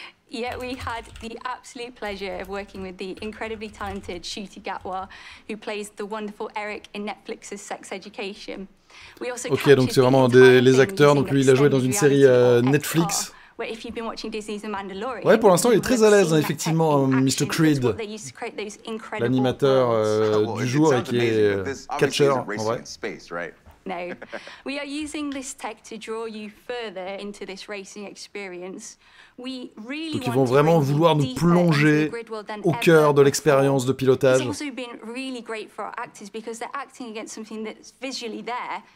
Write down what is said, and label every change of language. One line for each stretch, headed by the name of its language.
English: Yeah, we had the absolute pleasure of working with the incredibly talented Shuti Gatwa, who plays the wonderful Eric in Netflix's Sex Education. We also
French: Ok, donc c'est vraiment les acteurs. Donc lui, il a joué dans une série Netflix.
English: If you've been watching Disney's Mandalorian,
French: ouais, pour l'instant, il est très à l'aise, effectivement, Mr. Creed, l'animateur du jour et qui est catcher, en vrai.
English: No, we are using this tech to draw you further into this racing experience. We really
French: Donc ils vont vraiment vouloir nous plonger au cœur de l'expérience de pilotage.
English: It's also been really great for our actors because they're acting against something that's visually there.